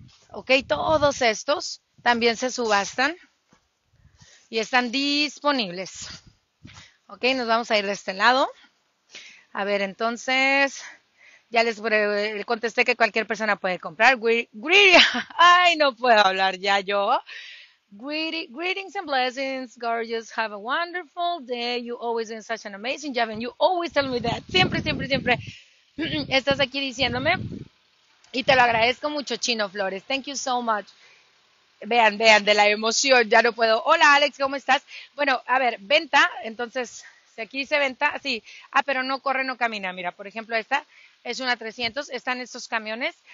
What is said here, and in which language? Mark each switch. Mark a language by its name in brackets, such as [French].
[Spanish] Ok, todos estos también se subastan y están disponibles. Ok, nos vamos a ir de este lado. A ver, entonces. Ya les contesté que cualquier persona puede comprar. Ay, no puedo hablar ya yo. [English] Greetings and blessings, gorgeous. Have a wonderful day. You always been such an amazing job, and you always tell me that. [Spanish] Siempre, siempre, siempre estás aquí diciéndome. Y te lo agradezco mucho, Chino Flores. [English] Thank you so much. [Spanish] Vean, vean, de la emoción, ya no puedo. Hola, Alex, ¿cómo estás? Bueno, a ver, venta. Entonces, si aquí dice venta, sí. Ah, pero no corre, no camina. Mira, por ejemplo, esta. Es una 300, están estos camiones.